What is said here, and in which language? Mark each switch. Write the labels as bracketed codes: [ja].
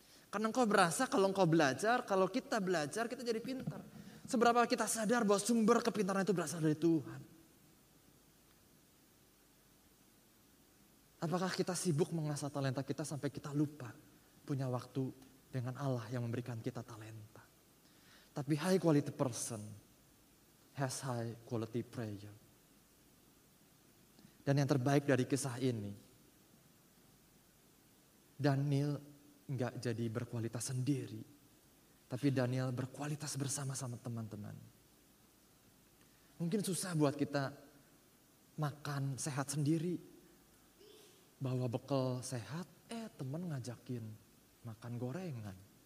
[id] Karena engkau berasa kalau engkau belajar, kalau kita belajar, kita jadi pintar. Seberapa kita sadar bahwa sumber kepintaran itu berasal dari Tuhan. Apakah kita sibuk mengasah talenta kita sampai kita lupa punya waktu dengan Allah yang memberikan kita talenta. [en] Tapi high quality person has high quality prayer. [id] Dan yang terbaik dari kisah ini, Daniel enggak jadi berkualitas sendiri, tapi Daniel berkualitas bersama-sama teman-teman. Mungkin susah buat kita makan sehat sendiri, bawa bekal sehat, teman ngajakin makan gorengan.